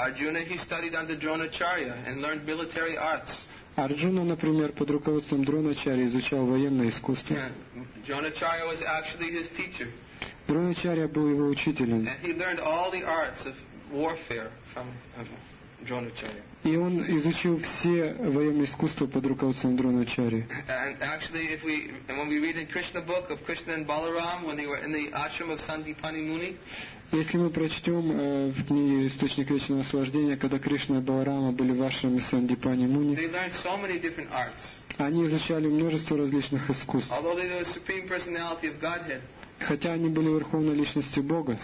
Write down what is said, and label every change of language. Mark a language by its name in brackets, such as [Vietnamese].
[English] Arjuna, he studied under Dronacharya and learned military arts. [Russian] Арджуна, например, под руководством Дроначарьи изучал военное искусство. [English] Dronacharya was actually his teacher. [Russian] Дроначарья был его учителем. [English] And he learned all the arts of warfare from Dronacharya. [Russian] И он изучил все военные искусства под руководством Дроначарьи. [English] And actually, if we, and when we read in Krishna book of Krishna and Balaram, when they were in the ashram of Sandipani Muni. [Russian] Если мы прочтем в книге «Источник вечного наслаждения», когда Кришна и Баларама были в ашраме Сандипани Муни, [English] they learned so many different arts. [Russian] Они изучали множество различных искусств. [English] Although they were the supreme personality of Godhead, [Russian] хотя они были верховной личностью Бога,